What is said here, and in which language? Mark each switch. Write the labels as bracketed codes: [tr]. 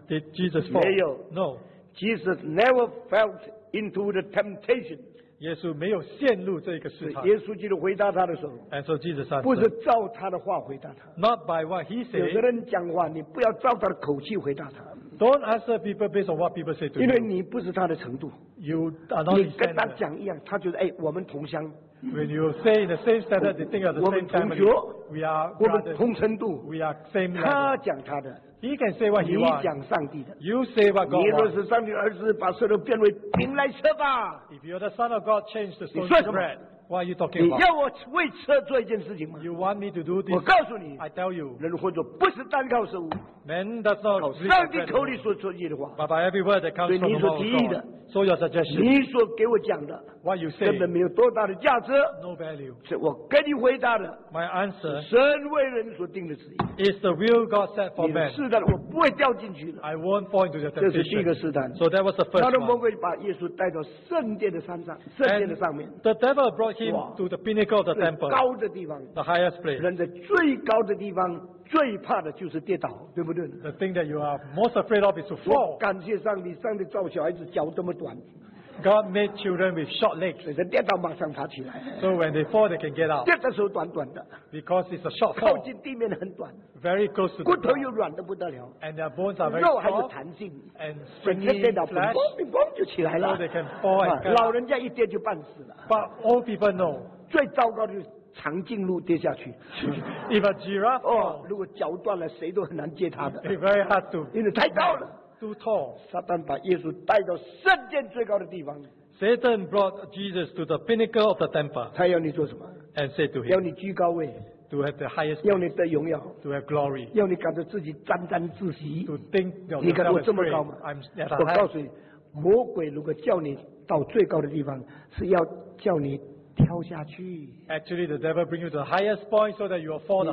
[en] ？Did Jesus fall? [zh] 没有。 [en] No. Jesus never fell into the temptation. [zh] 耶稣没有陷入这个试探。耶稣基督回答他的时候 [en] ，And so Jesus answered, [zh] 不是照他的话回答他。 [en] Not by what he said. [zh] 有的人讲话，你不要照他的口气回答他。 [en] Don't answer people based on what people say to you. [zh] 因为你不是他的程度。 [en] You are not. [zh] 你跟他讲一样，他觉得哎，我们同乡。 [en] When you say in the same standard, they think of the same family. [zh] 我们同学。 [en] We are. [zh] 我们同程度。 [en] We are same level. [zh] 他讲他的。 [en] He can say what he wants. [zh] 你讲上帝的。 [en] You say what God wants. [zh] 你若是上帝的儿子，把石头变为饼来吃吧。 [en] If you're the son of God, change the stone to bread. What are you talking about? [zh] 你要我为吃做一件事情吗 [en] ？You want me to do this? [zh] 我告诉你 [en] ，I tell you， [zh] 人活着不是单靠食物。 [en] Man does not live on bread. [zh] 上帝口里所出意的话。 [en] But by every word that comes from the mouth of God. [zh] 对你所提议的。 [en] So your suggestion. [zh] 你所给我讲的。 [en] What you say. [zh] 根本没有多大的价值。 [en] No value. [zh] 是我跟你回答的。 [en] My answer. [zh] 神为人所定的旨意。 [en] Is the will God set for man. [zh] 试探我不会掉进去的。 [en] I won't fall into the temptation. [zh] 这是第一个试探。 [en] So that was the first one. [zh] 那魔鬼把耶稣带到圣殿的山上，圣殿的上面。 [en] The devil brought him to the pinnacle of the temple. [zh] 高的地方。 [en] The highest place. [zh] 人在最高的地方。最怕的就是跌倒，对不对 [en] ？The thing that you are most afraid of is to fall. [zh] 感谢上帝，上帝造小孩子脚这么短。 [en] God made children with short legs. [zh] 人跌倒马上爬起来。 [en] So when they fall, they can get up. [zh] 跌的时候短短的。 [en] Because it's a short fall. [zh] 靠近地面很短。 [en] Very close to the ground. [zh] 骨头又软得不得了。 [en] And their bones are very soft. [zh] 肉还有弹性。 [en] And springy flesh. [zh] 跌倒嘣嘣嘣就起来了。 [en] So they can fall and get up. [zh] 老人家一跌就半死了。 [en] But old people know. [zh] 最糟糕的就是。长颈鹿跌下去 [en] ，if a giraffe [zh] 哦，如果脚断了，谁都很难接他的 [en] ，it's very hard to， [zh] 因为太高了 [en] ，too tall。 [zh] 撒旦把耶稣带到圣殿最高的地方 [en] ，Satan brought Jesus to the pinnacle of the temple。 [zh] 他要你做什么 [en] ？And said to him， [zh] 要你居高位 [en] to have the highest place, [zh] 要你得荣耀 [en] to have glory, [zh] 要你感到自己沾沾自喜 [en] to think yourself [zh] 你看我这么高吗 [en] I'm at a high. [zh] 我告诉你魔鬼如果叫你到最高的地方是要叫你跳下去 [en] actually the devil bring you to the highest point so that you will fall the hardest